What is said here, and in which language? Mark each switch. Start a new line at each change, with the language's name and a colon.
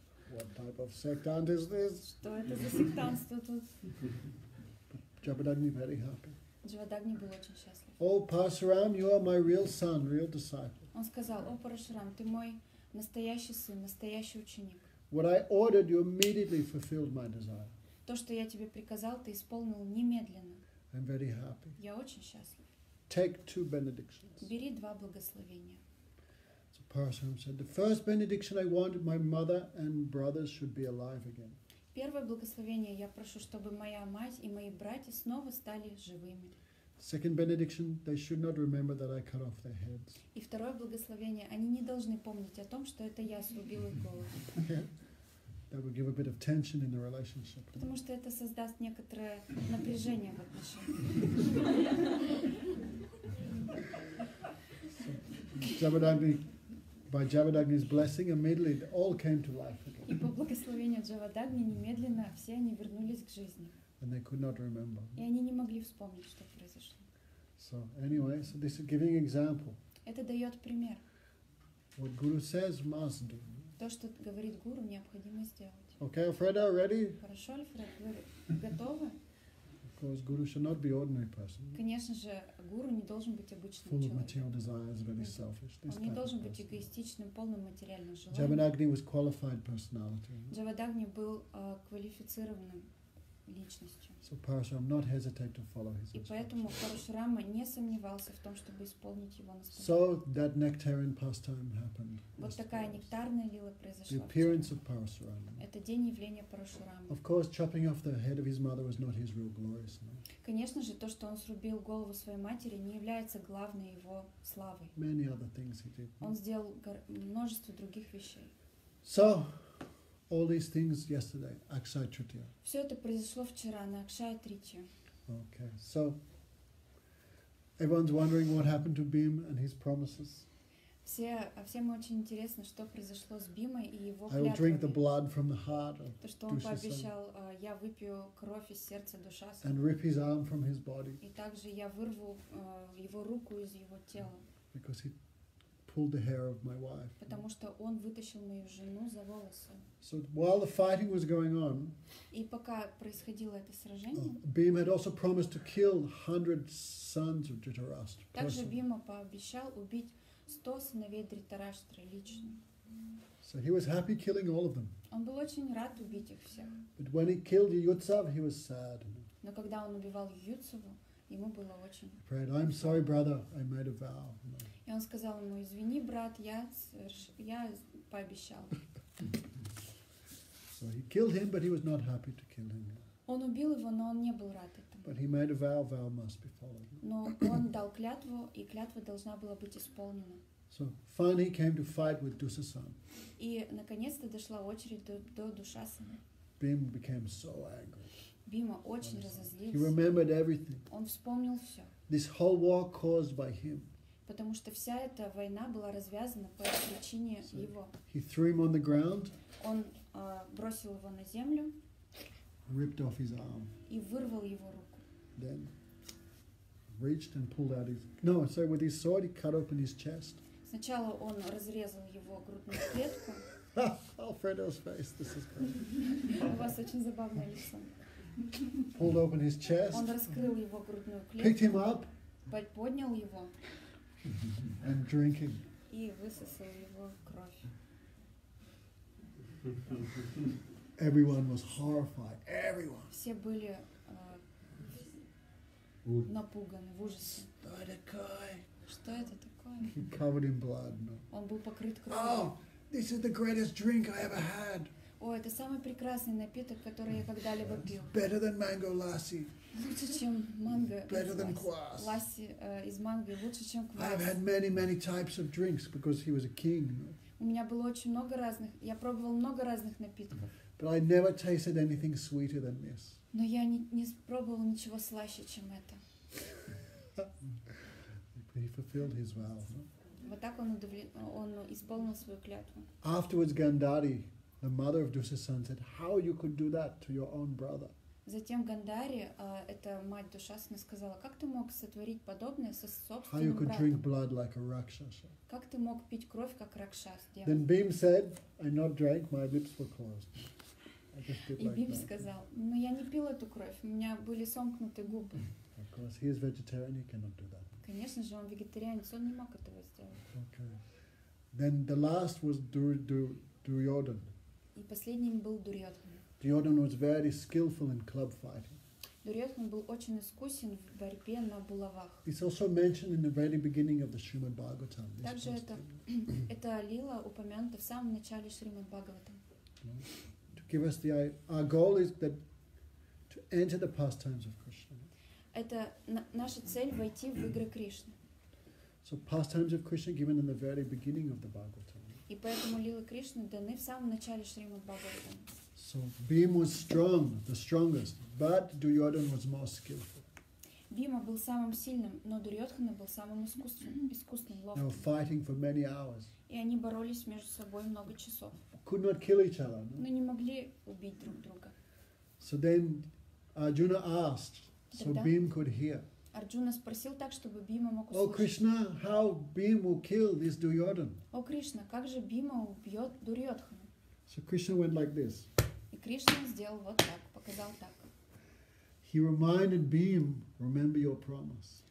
English: What type of sectant is this?
Russian: Что это за сектантство тут?
English: Jabadagni very happy.
Russian: Джавадагни был очень счастлив.
English: О, Парашурам, you are my real son, real disciple.
Russian: Он сказал: О, Парашурам, ты мой настоящий сын, настоящий ученик.
English: What I ordered, you immediately fulfilled my desire.
Russian: То, что я тебе приказал, ты исполнил немедленно.
English: I'm very happy.
Russian: Я очень счастлив.
English: Take two benedictions.
Russian: Бери два благословения.
English: So Parashram said, the first benediction I want, my mother and brothers should be alive again.
Russian: Первое благословение я прошу, чтобы моя мать и мои братья снова стали живыми.
English: Second benediction, they should not remember that I cut off their heads.
Russian: И второе благословение, они не должны помнить о том, что это я срубил их голову.
English: That would give a bit of tension in the relationship.
Russian: Потому что это создаст некоторое напряжение в отношениях.
English: By Javadagni's blessing, immediately all came to life again.
Russian: И по благословению Джавадагни немедленно все они вернулись к жизни.
English: And they could not remember.
Russian: И они не могли вспомнить, что произошло.
English: So anyway, so this is giving example.
Russian: Это дает пример.
English: What Guru says must do.
Russian: То, что говорит гуру, необходимо сделать.
English: Okay, Alfredo, ready?
Russian: Хорошо, Альфред, вы готовы?
English: Of course, guru should not be ordinary person.
Russian: Конечно же, гуру не должен быть обычным человеком.
English: Full of material desires, very selfish.
Russian: Он не должен быть эгоистичным, полным материальных желаний.
English: Javadagni was qualified personality.
Russian: Javadagni был квалифицированным личностью.
English: So Parashurama not hesitate to follow his.
Russian: И поэтому Парашурама не сомневался в том, чтобы исполнить его наставление.
English: So that nectarian pastime happened.
Russian: Вот такая нектарная лила произошла.
English: The appearance of Parashurama.
Russian: Это день явления Парашурамы.
English: Of course, chopping off the head of his mother was not his real glorious. No?
Russian: Конечно же, то, что он срубил голову своей матери, не является главной его славой.
English: Many other things he did.
Russian: Он сделал множество других вещей.
English: So. All these things yesterday, Akshaya Tritiya.
Russian: Все это произошло вчера на Акшая Тритию.
English: Okay, so everyone's wondering what happened to Bhima and his promises.
Russian: Все, всем очень интересно, что произошло с Бхимой и его клятвами.
English: I will drink the blood from the heart of Dushasana.
Russian: То, что он пообещал, я выпью кровь из сердца Душасаны.
English: And rip his arm from his body.
Russian: И также я вырву его руку из его тела.
English: Because he pulled the hair of my wife.
Russian: Потому что он вытащил мою жену за волосы.
English: So while the fighting was going on,
Russian: и пока происходило это сражение,
English: Bhima had also promised to kill 100 sons of Dhritarashtra.
Russian: Также Бхима пообещал убить 100 сыновей Дхритарашты лично.
English: So he was happy killing all of them.
Russian: Он был очень рад убить их всех.
English: But when he killed Юдсав, he was sad.
Russian: Но когда он убивал Юдсаву, ему было очень.
English: He prayed, I'm sorry, brother. I made a vow.
Russian: И он сказал ему, извини, брат, я пообещал.
English: So he killed him, but he was not happy to kill him.
Russian: Он убил его, но он не был рад этому.
English: But he made a vow. Vow must be followed.
Russian: Но он дал клятву, и клятва должна была быть исполнена.
English: So finally, he came to fight with Dushasana.
Russian: И наконец-то дошла очередь до Душасаны.
English: Bhima became so angry.
Russian: Бхима очень разозлился.
English: He remembered everything.
Russian: Он вспомнил все.
English: This whole war caused by him.
Russian: Потому что вся эта война была развязана по причине его.
English: He threw him on the ground.
Russian: Он бросил его на землю.
English: Ripped off his arm.
Russian: И вырвал его руку.
English: Then reached and pulled out his. No, so with his sword he cut open his chest.
Russian: Сначала он разрезал его грудную клетку.
English: Alfredo's face, this is great.
Russian: У вас очень забавное лицо.
English: Pulled open his chest.
Russian: Он раскрыл его грудную клетку.
English: Picked him up.
Russian: Поднял его.
English: And drinking.
Russian: И высосал его кровь.
English: Everyone was horrified. Everyone.
Russian: Все были напуганы, в ужасе. Что это такое?
English: He covered in blood. No.
Russian: Он был покрыт кровью.
English: Oh, this is the greatest drink I ever had.
Russian: О, это самый прекрасный напиток, который я когда-либо пил.
English: Better than mango lassi.
Russian: Лучше, чем манго.
English: Better than квас.
Russian: Ласси из манго лучше, чем квас.
English: I've had many, many types of drinks because he was a king.
Russian: У меня было очень много разных. Я пробовал много разных напитков.
English: But I never tasted anything sweeter than this.
Russian: Но я не пробовал ничего слаще, чем это.
English: He fulfilled his vow.
Russian: Вот так он исполнил свою клятву.
English: Afterwards, Gandhari. The mother of Dushasana said, "How you could do that to your own brother?"
Russian: Затем Гандхари, эта мать Душасаны, сказала, как ты мог сотворить подобное со собственным братом?
English: How you could drink blood like a rakshasa?
Russian: Как ты мог пить кровь как ракшас?
English: Then Bhim said, "I not drank, my lips were closed."
Russian: И Бхим сказал, "Но я не пил эту кровь, у меня были сомкнуты губы."
English: Of course, he is vegetarian; he cannot do that.
Russian: Конечно же, он вегетарианец, он не мог этого сделать.
English: Okay. Then the last was Duryodhan.
Russian: И последним был Дурьотхан.
English: Duryodhan was very skillful in club fighting.
Russian: Duryodhan был очень искусен в борьбе на булавах.
English: It's also mentioned in the very beginning of the Srimad Bhagavatam.
Russian: Также это лила упомянута в самом начале Шримад Бхагаватам.
English: To give us the our goal is that to enter the pastimes of Krishna.
Russian: Это наша цель войти в игры Кришны.
English: So pastimes of Krishna given in the very beginning of the Bhagavatam.
Russian: И поэтому лилы Кришны даны в самом начале Шримад Бхагаватам.
English: So Bhima was strong, the strongest, but Duryodhan was more skillful.
Russian: Bhima был самым сильным, но Дурьотхана был самым искусным, ловким.
English: They were fighting for many hours.
Russian: И они боролись между собой много часов.
English: Could not kill each other.
Russian: Но не могли убить друг друга.
English: So then Arjuna asked, so Bhima could hear.
Russian: Арджуна спросил так, чтобы Бхима мог услышать.
English: О Кришна, how Bhima will kill this Duryodhan?
Russian: О Кришна, как же Бхима убьет Дурьотхана?
English: So Krishna went like this.
Russian: И Кришна сделал вот так, показал так.
English: He reminded Bhim, remember your promise.